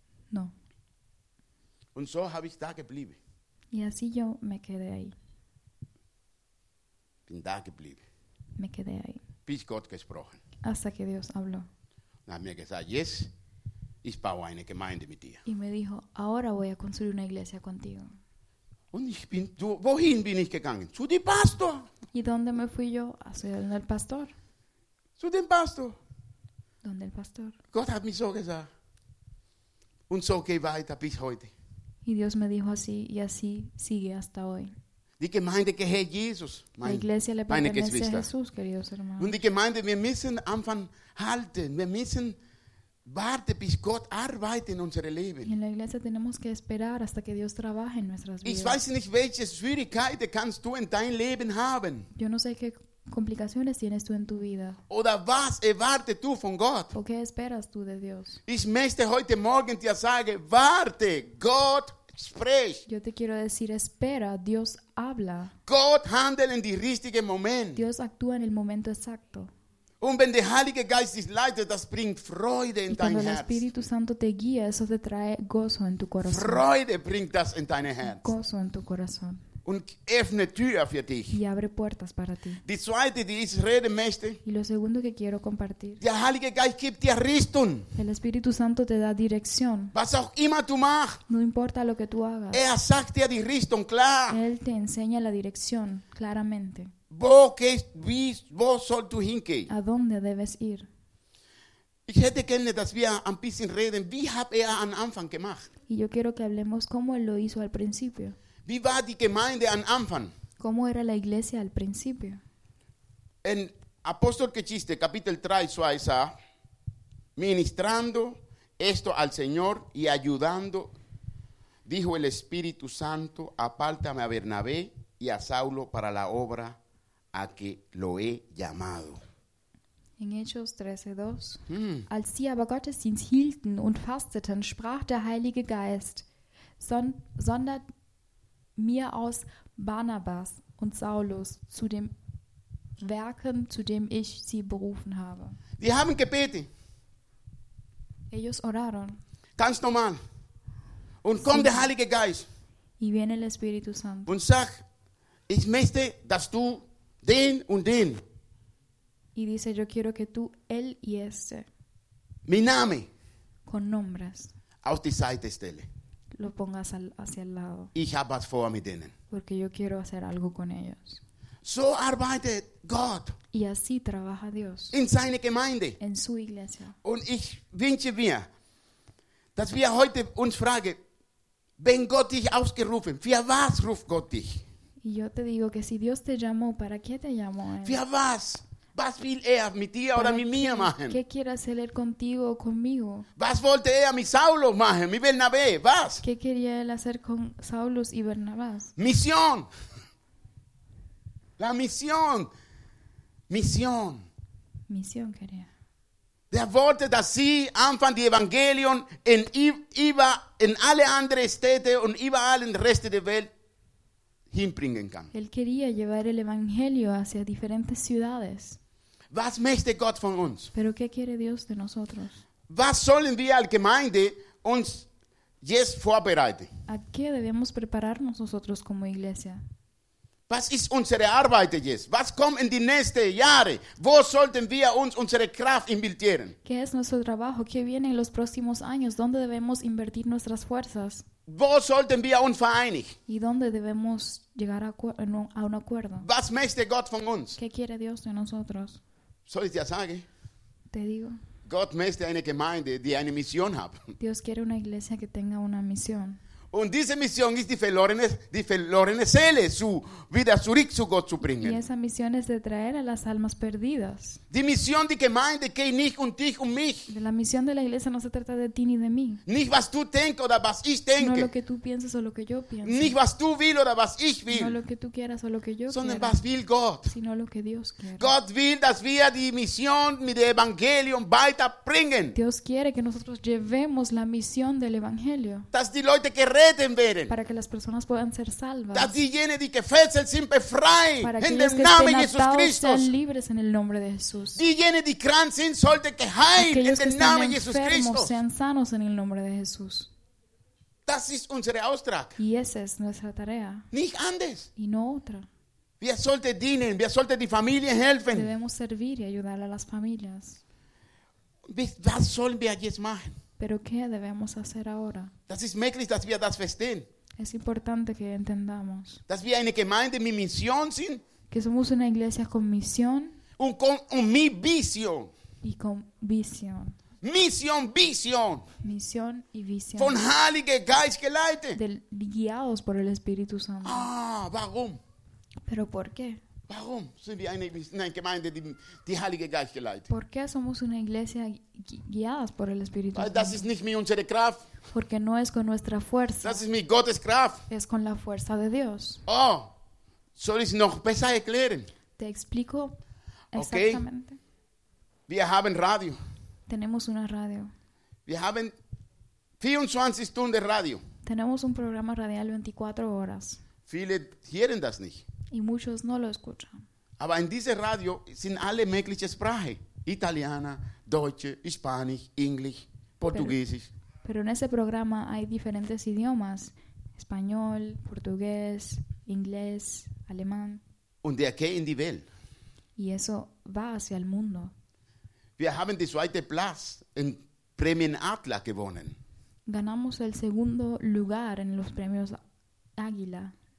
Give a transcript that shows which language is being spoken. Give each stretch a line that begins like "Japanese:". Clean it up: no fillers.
Spanish: No.
German: Und so habe ich da geblieben.
Spanish: Y así yo me quedé ahí.
German: Bin da geblieben.
Spanish: Me quedé ahí.
German: Bis Gott gesprochen.
Spanish: Hasta que Dios habló.
German: Und hat mir gesagt,
English: yes,
German: ich baue eine Gemeinde mit dir.
Spanish: Y me dijo, ahora voy a construir una iglesia contigo.
German: Und ich bin, du, wohin bin ich gegangen? Zu dem Pastor.
Spanish: ¿Y dónde me fui yo? Hacia el pastor.
German: Zu dem Pastor.
Spanish: ¿Dónde el pastor?
German: Gott hat mir so gesagt. Und so geht weiter bis heute.
Spanish: Y Dios me dijo así, y así sigue hasta hoy.
German: Die Gemeinde gehört Jesus, mein,
Spanish: la iglesia le pertenece a Jesús, queridos hermanos.
German: Und die Gemeinde, wir müssen anfangen halten, wir müssen warten, bis Gott arbeitet in unserem Leben.
Spanish: Y en la iglesia tenemos que esperar hasta que Dios trabaje en nuestras vidas.
German: Ich weiß nicht, welche Schwierigkeiten kannst du in dein Leben haben.
Spanish: Yo no sé qué complicaciones tienes tú en tu vida.
German: Oder was erwartest du von Gott?
Spanish: ¿O qué esperas tú de Dios?
German: Ich möchte heute Morgen dir sagen, warte, Gott spricht.
Spanish: Yo te quiero decir, espera, Dios habla.
German: Gott handelt in die richtige Moment.
Spanish: Dios actúa en el momento exacto.
German: Und wenn der Heilige Geist dich leitet, das bringt Freude in
Spanish: y Y cuando el Espíritu Santo te guía, eso te trae gozo en tu corazón.
German: Freude bringt das in dein Herz.
Spanish: Gozo en tu corazón.
German: Und öffne Tür für dich.
Spanish: Y abre puertas para ti.
German: Die zweite, die ich reden möchte.
Spanish: Y lo segundo que quiero compartir.
German: Der Heilige Geist gibt dir Richtung.
Spanish: El Espíritu Santo te da dirección.
German: Was auch immer du machst.
Spanish: No importa lo que tú hagas.
German: Er sagt dir die Richtung klar.
Spanish: Él te enseña la dirección claramente.
German: Wo gehst, wo sollst du hingehen?
Spanish: A dónde debes ir?
German: Ich hätte gerne, dass wir ein bisschen reden. Wie hat er am Anfang gemacht?
Spanish: Y yo quiero que hablemos cómo él lo hizo al principio.
German: Wie war die Gemeinde am Anfang?
Spanish: ¿Cómo era la iglesia al principio? En
German: Apostelgeschichte, Kapitel 3, so heißt er,
Spanish: ministrando esto al Señor y ayudando, dijo el Espíritu Santo, apártame a Bernabé y a Saulo para la obra a que lo he llamado.
German: In Hechos 13:2, als sie aber Gottesdienst hielten und fasteten, sprach der Heilige Geist, sondert mir aus Barnabas und Saulus zu dem Werken, zu dem ich sie berufen habe. Wir haben gebetet.
Spanish: Ellos oraron.
German: Ganz normal. Und
Spanish: sí.
German: Kommt der Heilige Geist.
Spanish: Y viene el Espíritu Santo.
German: Und sagt, ich möchte, dass du den und den.
Spanish: Y dice, yo quiero que tú, él y este. Mi nombre. Con nombres.
German: Auf die Seite stelle.
Spanish: Lo pongas hacia el lado.
German: Ich habe was vor mit denen.
Spanish: Porque yo quiero hacer algo con ellos.
German: So arbeitet Gott.
Spanish: Y así trabaja Dios.
German: In seine Gemeinde.
Spanish: En su iglesia.
German: Und ich wünsche mir, dass wir heute uns fragen, wenn Gott dich ausgerufen, für was ruft Gott dich?
Spanish: Y yo te digo que si Dios te llamó, ¿para qué te llamó él?
German: Für was? Was will mit dir oder mit mir machen?
Spanish: ¿Qué quiere hacer él contigo o conmigo?
German: Was wollte
Spanish: mi
German: Saulo machen,
Spanish: mi
German: Bernabé? Was?
Spanish: ¿Qué quería él hacer con Saulos y Bernabás? Misión. La misión. Misión. Misión quería.
German: Der wollte, dass sie anfangen, die Evangelion in alle anderen Städte und überall in der Rest der Welt hinbringen kann.
Spanish: Él quería llevar el Evangelio hacia diferentes ciudades.
German: Was möchte Gott von uns?
Spanish: Pero ¿qué quiere Dios de nosotros?
German: Was sollen wir als Gemeinde uns jetzt vorbereiten?
Spanish: ¿A qué debemos prepararnos nosotros como iglesia?
German: Was ist unsere Arbeit jetzt? Was kommt in die nächsten Jahre? Wo sollten wir uns unsere Kraft investieren?
Spanish: ¿Qué es nuestro trabajo? ¿Qué viene en los próximos años? ¿Dónde debemos invertir nuestras fuerzas?
German: Wo sollten wir uns vereinigen?
Spanish: ¿Y dónde debemos llegar a un acuerdo?
German: Was möchte Gott von uns?
Spanish: ¿Qué quiere Dios de nosotros?
German: Soll ich dir sagen?
Spanish: Te digo.
German: Gott möchte eine Gemeinde, die eine Mission hat.
Spanish: Dios quiere una iglesia que tenga una misión.
German: Und diese Mission ist die verlorene Seele zu wieder zurück zu Gott zu bringen.
Spanish: Y esa misión es de traer a las almas perdidas.
German: Die Mission die Gemeinde geht nicht um dich und mich.
Spanish: De la misión de la iglesia no se trata de ti ni de mí.
German: Nicht was du denkst oder was ich denke.
Spanish: No lo que tú piensas o lo que yo pienso.
German: Nicht was du willst oder was ich will.
Spanish: No lo que tú quieras o lo que yo
German: sondern
Spanish: quiera.
German: Was will Gott.
Spanish: Sino lo que Dios quiere.
German: Gott will, dass wir die Mission mit dem Evangelium weiterbringen.
Spanish: Dios quiere que nosotros llevemos la misión del evangelio.
German: Dass die Leute
Spanish: para que las personas puedan ser salvas,
German: dass diejenigen, die gefesselt sind, befreien,
Spanish: para que los que estén atados sean libres en el nombre de Jesús,
German: diejenigen, die krank sind, sollten geheilt,
Spanish: aquellos in que estén name enfermos sean sanos en el nombre de Jesús.
German: Das ist unsere Auftrag.
Spanish: Y esa es nuestra tarea.
German: Nicht anders.
Spanish: Y no otra.
German: Wir sollten dienen, wir sollten die Familien helfen.
Spanish: Debemos servir y ayudar a las familias.
German: Was sollen wir jetzt machen?
Spanish: ¿Pero qué debemos hacer ahora?
German: Das ist möglich, dass wir das verstehen.
Spanish: Es importante que entendamos.
German: Dass wir eine Gemeinde mit Mission sind.
Spanish: Que somos una iglesia con misión.
German: Und
Spanish: con mi visión. Y con visión. Misión, visión. Misión y visión.
German: Von Heiliger Geist geleitet.
Spanish: Guiados por el Espíritu Santo.
German: Ah, warum?
Spanish: ¿Pero por qué?
German: Warum sind wir eine Gemeinde, die Heilige Geist geleitet?
Spanish: ¿Por qué somos una iglesia guiadas por el Espíritu Santo?
German: Das ist nicht mit unserer Kraft.
Spanish: Porque no es con nuestra fuerza.
German: Das ist mit Gottes Kraft.
Spanish: Es con la fuerza de Dios.
German: Oh, soll ich noch besser erklären?
Spanish: Te explico exactamente.
German: Okay. Wir haben Radio.
Spanish: Tenemos una radio.
German: Wir haben 24 Stunden Radio.
Spanish: Tenemos un programa radial 24 horas.
German: Viele hören das nicht.
Spanish: Y muchos no lo escuchan.
German: Aber in dieser Radio sind alle möglichen Sprachen. Italiana, Deutsche, Spanisch, Englisch, Portugiesisch.
Spanish: Pero en ese programa hay diferentes idiomas. Español, portugués, inglés, alemán.
German: Und der geht in die Welt.
Spanish: Y eso va hacia el mundo.
German: Wir haben den zweiten Platz in Prämien Adler gewonnen.
Spanish: Ganamos el segundo lugar en los premios Águila.